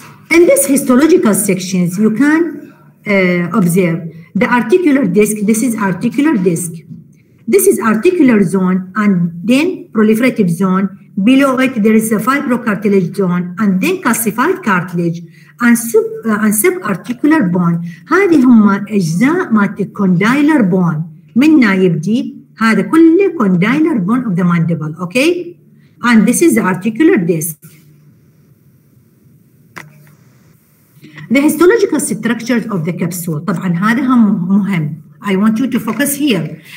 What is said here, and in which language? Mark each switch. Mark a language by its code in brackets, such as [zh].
[en] In this histological sections, you can observe the articular disc. This is articular disc. This is articular zone, and then proliferative zone. Below it, there is a fibrocartilage zone and then calcified cartilage and subarticular bone. [ar] هذه هم أجزاء مالت condylar bone. منا يبدي هذا كله condylar bone of the mandible, okay? [en] And this is the articular disc. The histological structures of the capsule. [ar] طبعا هذا هم مهم. [en] I want you to focus here.